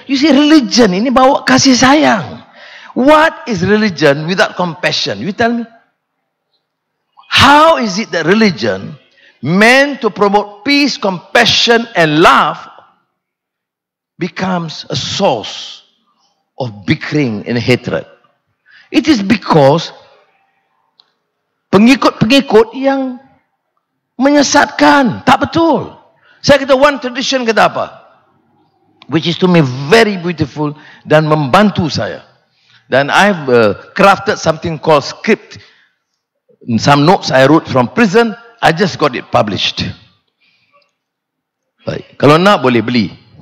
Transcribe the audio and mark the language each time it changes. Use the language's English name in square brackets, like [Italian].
[English] You see, [Malay] religion ini bawa kasih sayang. [English] What is religion without compassion? You tell me. How is it that religion meant to promote peace, compassion and love becomes a source of bickering and hatred? It is because [Malay] pengikut-pengikut yang menyesatkan. Tak betul. Saya kata [English] one tradition [Malay] kata apa? [English] Which is to me very beautiful [Malay] dan membantu saya. [English] Dan I've crafted something called script. Some notes I wrote from prison. I just got it published. [Malay] Baik. Kalau nak boleh beli.